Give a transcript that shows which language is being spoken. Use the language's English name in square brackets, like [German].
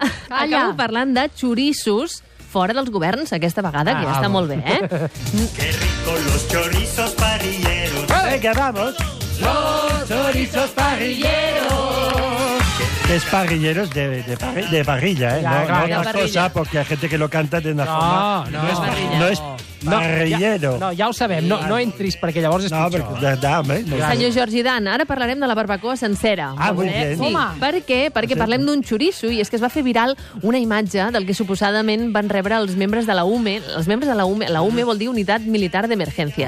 [Catalan] Acabo parlant de xoriços fora dels governs aquesta vegada, que ja està molt bé, eh? [Spanish] Qué rico los chorizos parrilleros. Venga, vamos. Los chorizos parrilleros. Es parrilleros de parrilla, ¿eh? Ya, no otra cosa, porque hay gente que lo canta de una forma... No, parrillero. [Catalan] Ja ho sabem, no entris, perquè llavors és pitjor. Senyor Jordi Dan, ara parlarem de la barbacoa sencera. Perquè parlem d'un xoriço, i és que es va fer viral una imatge del que suposadament van rebre els membres de la UME. Els membres de la UME, vol dir Unitat Militar d'Emergències.